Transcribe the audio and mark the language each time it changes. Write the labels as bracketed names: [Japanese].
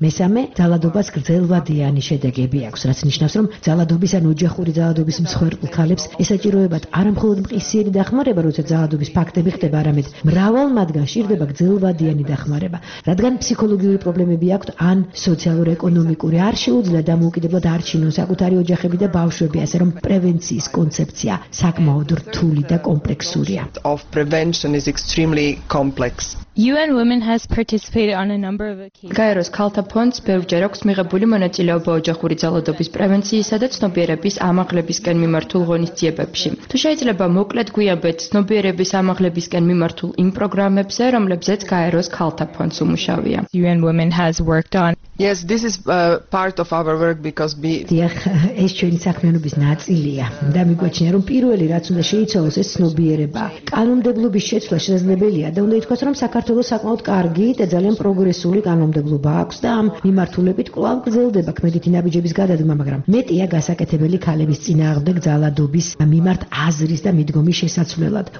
[Georgian] მესამე, ძალადობას გრძელვადიანი შედეგები აქვს, რაც ნიშნავს, რომ ძალადობის ან ოჯახური ძალადობის მსხვერპლ ქალებს ესაჭიროებათ არა მხოლოდ მყისიერი დახმარება, როცა ძალადობის ფაქტები ხდება, არამედ მრავალ მათგან შირდება გრძელვადიანი დახმარება, რადგან ფსიქოლოგიური პრობლემები აქვთ ან სოციალურ-ეკონომიკური, არ შეუძლია დამოუკიდებლად არჩინონ საკუთარი ოჯახები და ბავშვები, ასე რომ პრევენციის კონცეფცია საკმაოდ რთული და კომპლექსურია. [English] UN Women has participated on a number of occasions. [Georgian] Gairos Kalta Ponds ბევრჯერ აქვს მიღებული მონაწილეობა ოჯახური ძალადობის პრევენციისა და ცნობიერების ამაღლებისკენ მიმართულ ღონისძიებებში. თუ შეიძლება მოკლედ გვიაბეთ ცნობიერების ამაღლებისკენ მიმართულ იმ პროგრამებზე, რომლებზეც Gairos Kalta Ponds უმუშავია. [English] UN Women has worked on. Yes, this is part of our work because we [Georgian] ეს ჩვენი საქმიანობის ნაწილია და მიგვაჩნია, რომ პირველი რაც უნდა შეიცვალოს, ეს ცნობიერება. კანონმდებლობის შეცვლა შესაძლებელია და უნდა ითქვას, რომ საქართველოს საკმაოდ კარგი და ძალიან პროგრესული კანონმდებლობა აქვს და ამ მიმართულებით კვლავ გრძელდება ქმედითი ნაბიჯების გადადგმა, მაგრამ მეტია გასაკეთებელი ქალების წინააღმდეგ ძალადობის მიმართ აზრის და მიდგომის შესაცვლელად.